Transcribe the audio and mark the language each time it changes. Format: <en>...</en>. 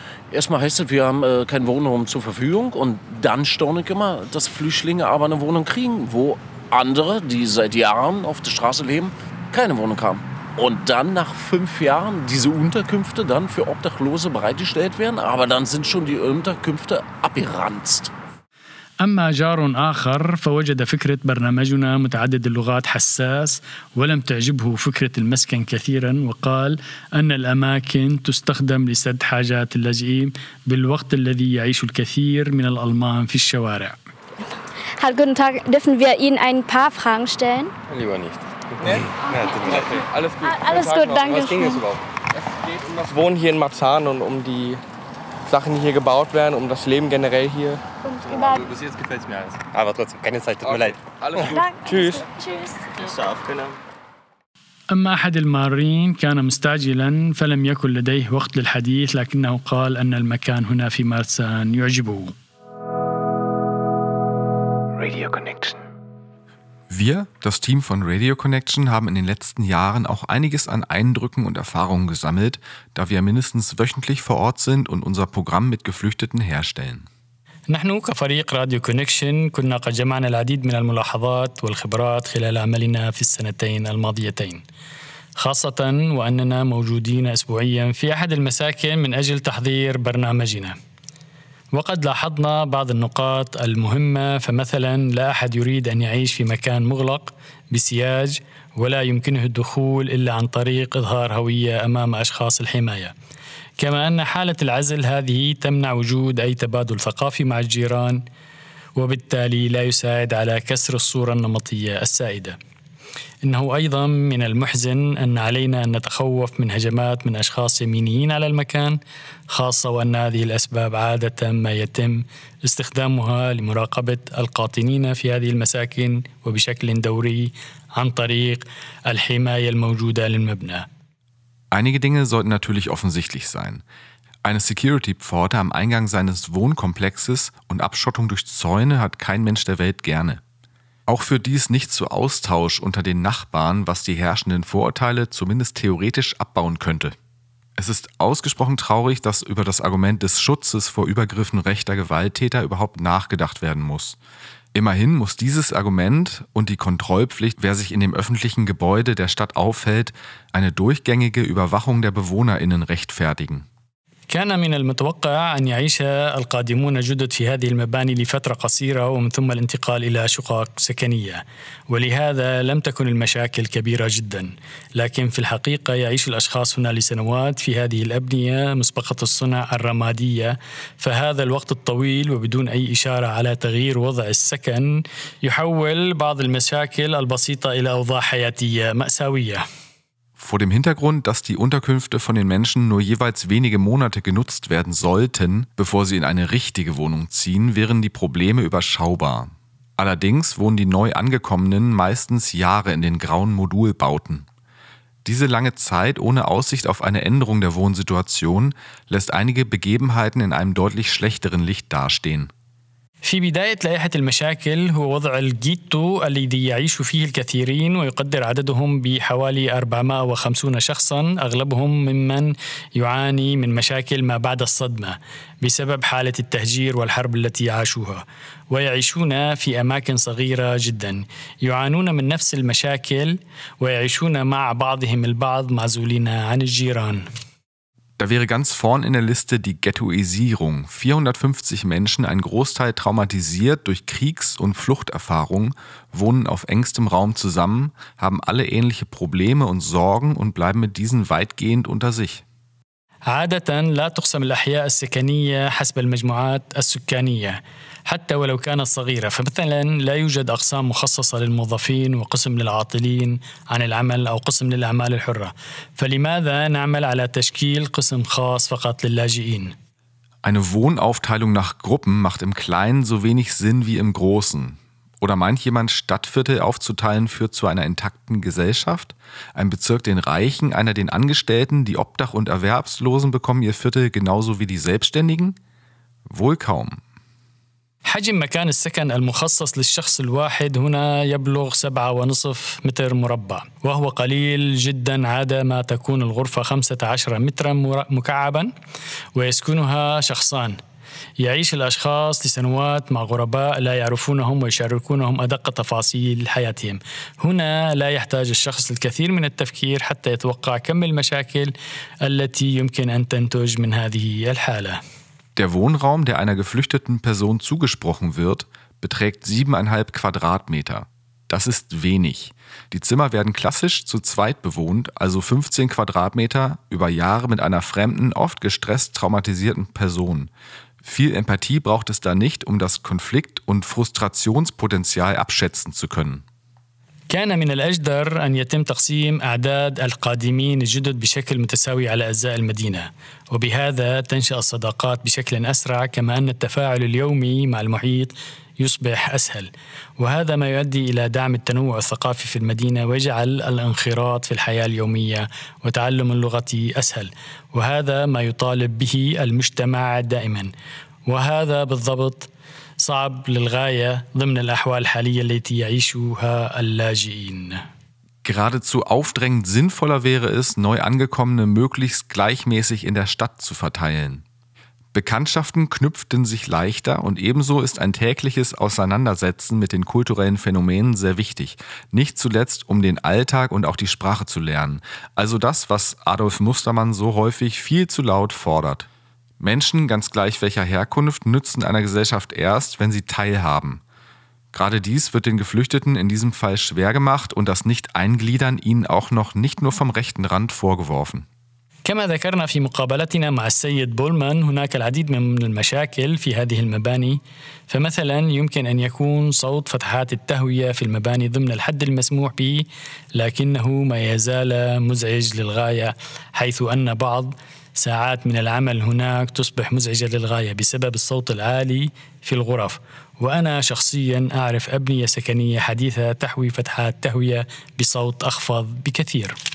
<de>Erstmal heißt es, wir haben keinen Wohnraum zur Verfügung. Und dann staune ich immer, dass Flüchtlinge aber eine Wohnung kriegen, wo andere, die seit Jahren auf der Straße leben, keine Wohnung haben. Und dann nach 5 Jahren diese Unterkünfte dann für Obdachlose bereitgestellt werden, aber dann sind schon die Unterkünfte abgeranzt.</de> <ar>أما جار آخر فوجد فكرة برنامجنا متعدد اللغات حساس ولم تعجبه فكرة المسكن كثيرا وقال أن الأماكن تستخدم لسد حاجات اللاجئين بالوقت الذي يعيش الكثير من الألمان في الشوارع.</ar> <de>Hallo, guten Tag. Dürfen wir Ihnen ein paar Fragen stellen? Lieber nicht. Alles gut. Alles gut, danke. Was ging es überhaupt? Es geht um das Wohnen hier in Marzahn und um die Sachen, die hier gebaut werden, um das Leben generell hier. Also bis jetzt gefällt es mir alles. Aber trotzdem, keine Zeit, tut mir leid. Alles gut. Danke. Tschüss. Alles gut. Tschüss. Bis dann, auf Wiedersehen.</de> <ar>أما أحد المارين كان مستعجلاً فلم يكن لديه وقت للحديث لكنه قال أن المكان هنا في مارسان يعجبه.</ar> <de>Radio Connection. Wir, das Team von Radio Connection, haben in den letzten Jahren auch einiges an Eindrücken und Erfahrungen gesammelt, da wir mindestens wöchentlich vor Ort sind und unser Programm mit Geflüchteten herstellen.</de> <ar>نحن كفريق راديو كونكشن كنا قد جمعنا العديد من الملاحظات والخبرات خلال عملنا في السنتين الماضيتين. خاصة وأننا موجودين أسبوعياً في أحد المساكن من أجل تحضير برنامجنا. وقد لاحظنا بعض النقاط المهمة، فمثلا لا أحد يريد أن يعيش في مكان مغلق بسياج ولا يمكنه الدخول إلا عن طريق إظهار هوية أمام أشخاص الحماية، كما أن حالة العزل هذه تمنع وجود أي تبادل ثقافي مع الجيران، وبالتالي لا يساعد على كسر الصورة النمطية السائدة. إنه أيضا من المحزن أن علينا أن نتخوف من هجمات من أشخاص يمينيين على المكان، خاصة وأن هذه الأسباب عادة ما يتم استخدامها لمراقبة القاطنين في هذه المساكن وبشكل دوري عن طريق الحماية الموجودة للمبنى.</ar> <de>Einige Dinge sollten natürlich offensichtlich sein. Eine Security-Pforte am Eingang seines Wohnkomplexes und Abschottung durch Zäune hat kein Mensch der Welt gerne. Auch führt dies nicht zu Austausch unter den Nachbarn, was die herrschenden Vorurteile zumindest theoretisch abbauen könnte. Es ist ausgesprochen traurig, dass über das Argument des Schutzes vor Übergriffen rechter Gewalttäter überhaupt nachgedacht werden muss. Immerhin muss dieses Argument und die Kontrollpflicht, wer sich in dem öffentlichen Gebäude der Stadt aufhält, eine durchgängige Überwachung der BewohnerInnen rechtfertigen.</de> <ar>كان من المتوقع أن يعيش القادمون جدد في هذه المباني لفترة قصيرة ومن ثم الانتقال إلى شقق سكنية، ولهذا لم تكن المشاكل كبيرة جدا، لكن في الحقيقة يعيش الأشخاص هنا لسنوات في هذه الأبنية مسبقة الصنع الرمادية، فهذا الوقت الطويل وبدون أي إشارة على تغيير وضع السكن يحول بعض المشاكل البسيطة إلى أوضاع حياتية مأساوية.</ar> <de>Vor dem Hintergrund, dass die Unterkünfte von den Menschen nur jeweils wenige Monate genutzt werden sollten, bevor sie in eine richtige Wohnung ziehen, wären die Probleme überschaubar. Allerdings wohnen die Neuangekommenen meistens Jahre in den grauen Modulbauten. Diese lange Zeit ohne Aussicht auf eine Änderung der Wohnsituation lässt einige Begebenheiten in einem deutlich schlechteren Licht dastehen.</de> <ar>في بداية لائحة المشاكل هو وضع الجيتو الذي يعيش فيه الكثيرين، ويقدر عددهم بحوالي 450 شخصا، أغلبهم ممن يعاني من مشاكل ما بعد الصدمة بسبب حالة التهجير والحرب التي عاشوها، ويعيشون في أماكن صغيرة جدا، يعانون من نفس المشاكل ويعيشون مع بعضهم البعض معزولين عن الجيران.</ar> <de>Da wäre ganz vorn in der Liste die Ghettoisierung. 450 Menschen, ein Großteil traumatisiert durch Kriegs- und Fluchterfahrung, wohnen auf engstem Raum zusammen, haben alle ähnliche Probleme und Sorgen und bleiben mit diesen weitgehend unter sich.</de> <ar>عادة لا تقسم الأحياء السكنية حسب المجموعات السكانية حتى ولو كانت صغيرة، فمثلا لا يوجد أقسام مخصصة للموظفين وقسم للعاطلين عن العمل أو قسم للأعمال الحرة، فلماذا نعمل على تشكيل قسم خاص فقط للاجئين؟</ar> <de>Eine Wohnaufteilung nach Gruppen macht im Kleinen so wenig Sinn wie im Großen. Oder meint jemand, Stadtviertel aufzuteilen führt zu einer intakten Gesellschaft? Ein Bezirk den Reichen, einer den Angestellten, die Obdach- und Erwerbslosen bekommen ihr Viertel genauso wie die Selbstständigen? Wohl kaum.</de> <ar>حجم مكان السكن المخصص للشخص الواحد هنا يبلغ 7.5 متر مربع، وهو قليل جدا. عادة ما تكون الغرفة 15 مترا مكعبا ويسكنها شخصان. يعيش الأشخاص لسنوات مع غرباء لا يعرفونهم ويشاركونهم أدق تفاصيل حياتهم. هنا لا يحتاج الشخص الكثير من التفكير حتى يتوقع كم المشاكل التي يمكن أن تنتج من هذه الحالة.</ar> <de>Der Wohnraum, der einer geflüchteten Person zugesprochen wird, beträgt 7,5 Quadratmeter. Das ist wenig. Die Zimmer werden klassisch zu zweit bewohnt, also 15 Quadratmeter, über Jahre mit einer fremden, oft gestresst traumatisierten Person. Viel Empathie braucht es da nicht, um das Konflikt- und Frustrationspotenzial abschätzen zu können.</de> <ar>كان من الأجدر أن يتم تقسيم أعداد القادمين الجدد بشكل متساوي على أجزاء المدينة، وبهذا تنشأ الصداقات بشكل أسرع، كما أن التفاعل اليومي مع المحيط يصبح أسهل، وهذا ما يؤدي إلى دعم التنوع الثقافي في المدينة ويجعل الانخراط في الحياة اليومية وتعلم اللغة أسهل، وهذا ما يطالب به المجتمع دائما، وهذا بالضبط صعب للغاية ضمن الأحوال الحالية التي يعيشها اللاجئين.</ar> <de>Geradezu aufdrängend sinnvoller wäre es, Neuangekommene möglichst gleichmäßig in der Stadt zu verteilen. Bekanntschaften knüpften sich leichter und ebenso ist ein tägliches Auseinandersetzen mit den kulturellen Phänomenen sehr wichtig, nicht zuletzt um den Alltag und auch die Sprache zu lernen. Also das, was Adolf Mustermann so häufig viel zu laut fordert. Menschen, ganz gleich welcher Herkunft, nützen einer Gesellschaft erst, wenn sie teilhaben. Gerade dies wird den Geflüchteten in diesem Fall schwer gemacht und das Nicht-Eingliedern ihnen auch noch nicht nur vom rechten Rand vorgeworfen.</de> <ar>كما ذكرنا في مقابلتنا مع السيد بولمان هناك العديد من المشاكل في هذه المباني فمثلا يمكن أن يكون صوت فتحات التهوية في المباني ضمن الحد المسموح به لكنه ما يزال مزعج للغاية حيث أن بعض ساعات من العمل هناك تصبح مزعجة للغاية بسبب الصوت العالي في الغرف وأنا شخصيا أعرف أبنية سكنية حديثة تحوي فتحات تهوية بصوت أخفض بكثير.</ar>